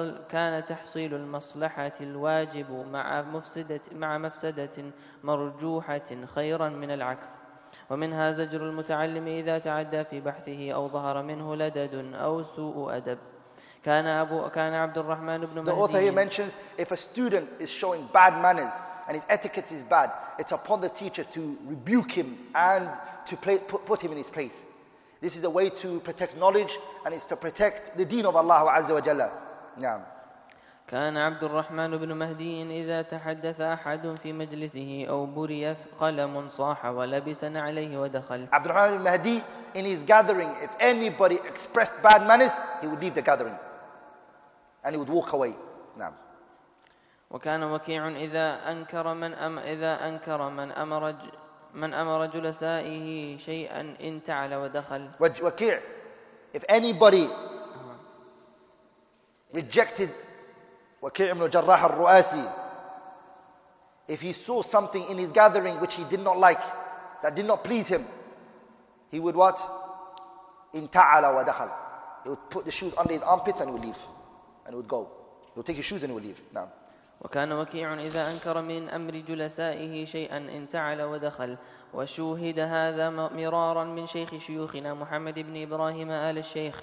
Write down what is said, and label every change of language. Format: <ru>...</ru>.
<ar>كان تحصيل المصلحة الواجب مع مفسدة مرجوحة خيرا من العكس ومنها زجر المتعلم إذا تعدى في بحثه أو ظهر منه لدد أو سوء أدب كان عبد الرحمن بن مهدي.</ar> <en>The author here mentions if a student is showing bad manners and his etiquette is bad, it's upon the teacher to rebuke him and to put him in his place. This is a way to protect knowledge and it's to protect the deen of Allah</en> <ar>عز وجل. نعم. كان عبد الرحمن بن مهدي إذا تحدث أحد في مجلسه أو بري قلم صاح ولبس عليه ودخل.</ar> <en>عبد الرحمن بن مهدي, in his gathering, if anybody expressed bad manners, he would leave the gathering and he would walk away.</en> <ar>نعم. وكان وكيع إذا أنكر من أمر جلسائه شيئا انتعل ودخل.</ar> <en>وكيع, if anybody rejected وكيع بن جراح الرؤاسي, if he saw something in his gathering which he did not like, that did not please him, he would what?</en> <ar>انتعل ودخل.</ar> <en>He would put the shoes under his armpits and he would leave. And he would go. He would take his shoes and he would leave.</en> <ar>نعم. وكان وكيع إذا أنكر من أمر جلسائه شيئا انتعل ودخل وشوهد هذا مرارا من شيخ شيوخنا محمد بن إبراهيم آل الشيخ.</ar>